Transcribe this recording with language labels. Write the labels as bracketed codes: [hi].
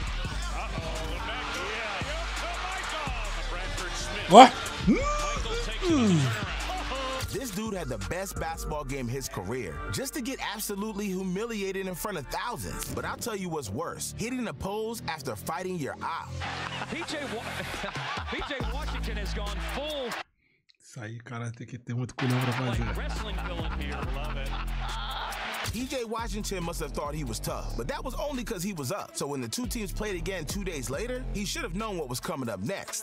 [en] The back to Michael. Bradford Smith. This dude had the best basketball game of his career, just to get absolutely humiliated in front of thousands. But I'll tell you what's worse, hitting the pose after fighting your op. PJ Washington has gone full. [pt] Isso aí, cara, tem que ter muito culhão pra fazer. [en] Wrestling villain here, love it. PJ Washington must have thought he was tough, but that was only because he was up. So when the two teams played again 2 days later, he should have known what was coming up next.